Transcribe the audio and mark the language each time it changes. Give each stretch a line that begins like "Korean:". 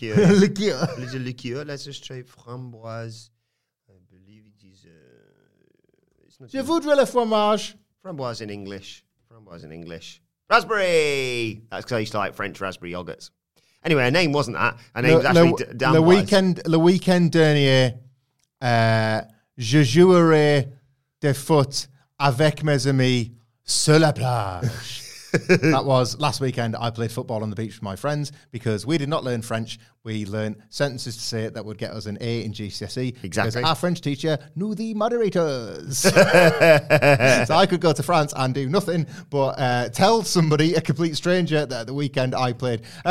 English: Liqueur. A little liqueur. Let's just try framboise. I believe it is... it's not
French: je voudrais le fromage.
English: Framboise in English. Framboise in English. Raspberry! That's because I used to like French raspberry yoghurts. Anyway, her name wasn't that. Her name was actually Damboise.
French: Le week-end dernier, je jouerai de foot avec mes amis sur la plage.
English: That was last weekend. I played football on the beach with my friends because we did not learn French. We learned sentences to say it that would get us an A in GCSE. Exactly. Because our French teacher knew the moderators. So I could go to France and do nothing but tell somebody, a complete stranger, that at the weekend I played.